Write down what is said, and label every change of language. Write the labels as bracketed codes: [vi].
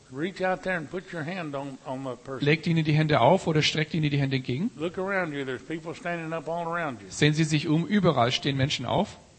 [en] Reach out there and put your hand on the person. [de] Legt Ihnen die Hände auf oder streckt Ihnen die Hände entgegen. [en] Look around you, there's people standing up all around you. [de] Sehen Sie sich um, überall stehen Menschen auf.